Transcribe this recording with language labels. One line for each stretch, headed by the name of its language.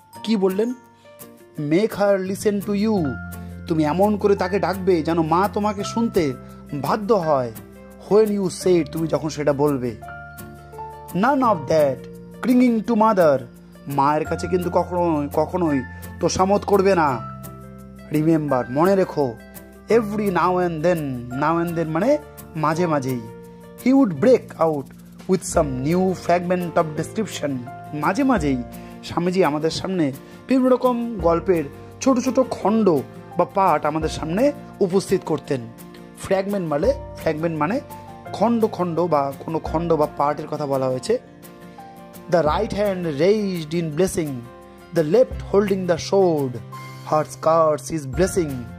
Bangla: কি বললেন,
English: make her listen to you,
Bangla: তুমি এমন করে তাকে ডাকবে যেন মা তোমাকে শুনতে বাধ্য হয়,
English: when you say
Bangla: তুমি যখন সেটা বলবে।
English: none of that clinging to mother,
Bangla: মায়ের কাছে কিন্তু কখনোই তো সামত করবে না, রিমেম্বার মনে রেখো,
English: every now and then, now and then
Bangla: মানে মাঝে মাঝেই,
English: he would break out with some new fragment of description.
Bangla: মাঝে মাঝেই স্বামীজি আমাদের সামনে বিভিন্ন রকম গল্পের ছোট ছোট খণ্ড বা পাঠ আমাদের সামনে উপস্থিত করতেন। ফ্র্যাগমেন্ট মানে খণ্ড খণ্ড বা কোনো খণ্ড বা পাঠের কথা বলা হয়েছে।
English: The right hand raised in blessing, the left holding the sword, her scars is blessing.